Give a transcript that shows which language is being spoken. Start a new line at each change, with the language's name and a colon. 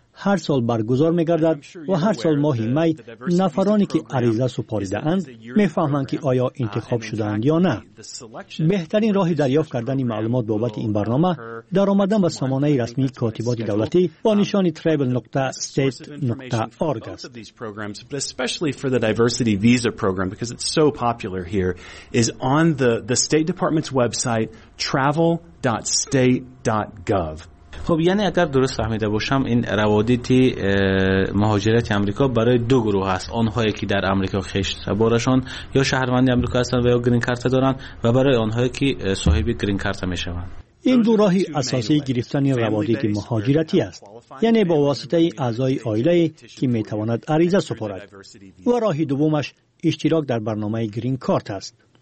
Persian: هر سال برگزار میگردد و هر سال ماه می نفرانی که عریضه سپاریده اند میفهمند که آیا انتخاب شدند یا نه. بهترین راه دریافت کردن معلومات بابت این برنامه در آمدن به سامانه رسمی کاتبات دولتی با نشان travel.state.org است.
English: Especially for the diversity visa program because it's so popular here is on the State Department's website travel.state.gov.
Persian: خب یعنی اگر درست فهمیده باشم این روادید مهاجرت آمریکا برای دو گروه است، آنهایی که در آمریکا خشت سوارشان یا شهروند آمریکا هستند و یا گرین کارت دارند و برای آنهایی که صاحب گرین کارت میشوند. این دو راهی اساسی گرفتن روادید مهاجرتی است، یعنی با واسطه اعضای آیله که میتواند عریضه سپارد، و راهی دومش اشتراک در برنامه گرین کارت است.